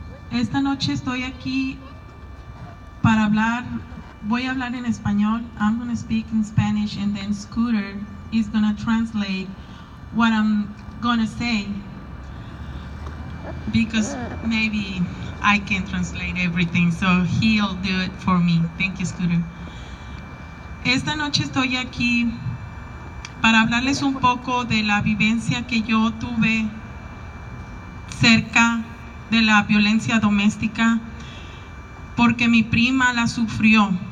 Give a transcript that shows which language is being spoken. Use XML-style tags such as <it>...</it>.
<es>Esta noche estoy aquí para hablar. Voy a hablar en español.</es> <en>I'm going to speak in Spanish, and then Scooter is going to translate what I'm going to say, because maybe I can translate everything, so he'll do it for me. Thank you, Scooter.</en> <es>Esta noche estoy aquí para hablarles un poco de la vivencia que yo tuve cerca de la violencia doméstica, porque mi prima la sufrió.</es>